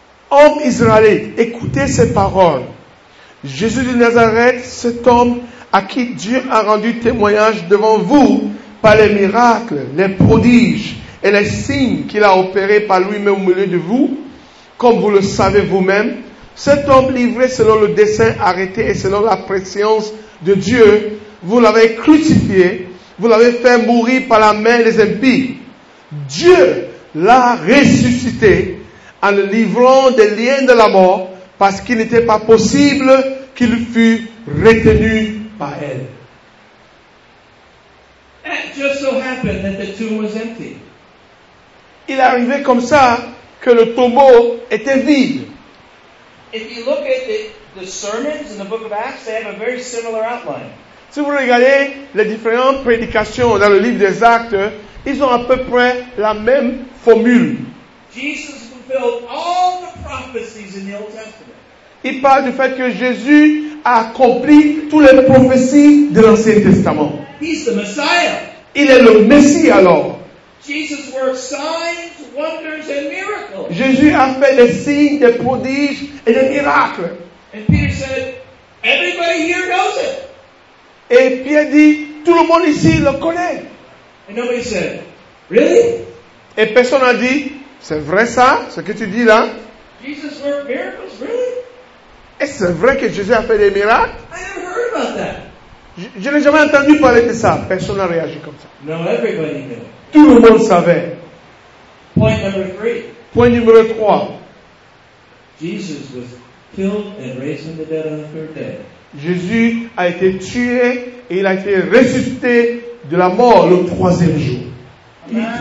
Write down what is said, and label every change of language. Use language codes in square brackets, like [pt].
[fr] Homme Israël, écoutez ces paroles. Jésus de Nazareth, cet homme à qui Dieu a rendu témoignage devant vous par les miracles, les prodiges et les signes qu'il a opérés par lui-même au milieu de vous, comme vous le savez vous-même, cet homme livré selon le dessein arrêté et selon la préscience de Dieu, vous l'avez crucifié, vous l'avez fait mourir par la main des impies. Dieu l'a ressuscité en le livrant des liens de la mort, parce qu'il n'était pas possible qu'il fût retenu par elle. [en] It just so happened that the tomb was empty. [fr] Il arrivait comme ça que le tombeau était vide. [en] If you look at the sermons in the book of Acts, they have a very similar outline. [fr] Si vous regardez les différentes prédications dans le livre des Actes, ils ont à peu près la même formule. [en] Jesus fulfilled all the prophecies in the Old Testament. [fr] Il parle du fait que Jésus a accompli toutes les prophéties de l'Ancien Testament. [en] He's the Messiah. [fr] Il est le Messie alors. [en] Jesus worked signs, wonders, and miracles. [fr] Jésus a fait des signes, des prodiges et des miracles. [en] And Peter said, everybody here knows it. [fr] Et Pierre dit, tout le monde ici le connaît. [en] And nobody said, really? [fr] Et personne n'a dit, c'est vrai ça, ce que tu dis là? [en] Jesus worked miracles, really? [fr] Est-ce vrai que Jésus a fait des miracles? [en] I never heard about that. [fr] Je n'ai jamais entendu parler de ça. Personne n'a réagi comme ça. [en] No, everybody knew. [fr] Tout le monde savait. [en] Point number three. [fr] Point numéro 3. [en] Jesus was killed and raised from the dead on the third day. [fr] Jésus a été tué et il a été ressuscité de la mort le troisième jour.